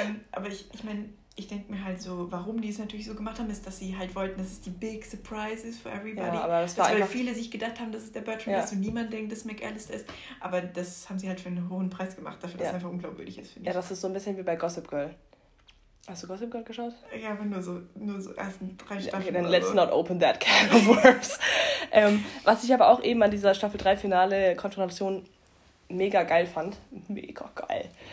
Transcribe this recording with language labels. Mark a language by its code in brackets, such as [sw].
[de] Aber ich denke mir halt so, warum die es natürlich so gemacht haben, ist, dass sie halt wollten, dass es die Big Surprise ist [en] for everybody. [de] Ja, aber das war weil viele sich gedacht haben, dass es der Bertram ist und niemand denkt, dass McAllister ist. Aber das haben sie halt für einen hohen Preis gemacht, dafür, dass es einfach unglaubwürdig ist, finde ich. Ja, das ist so ein bisschen wie bei Gossip Girl. Hast du Gossip Girl geschaut? Ja, aber nur so ersten 3 Staffeln. [en] Okay, dann let's not open that can of worms. [de] Was ich aber auch eben an dieser Staffel 3 Finale Konfrontation mega geil fand. Mega geil.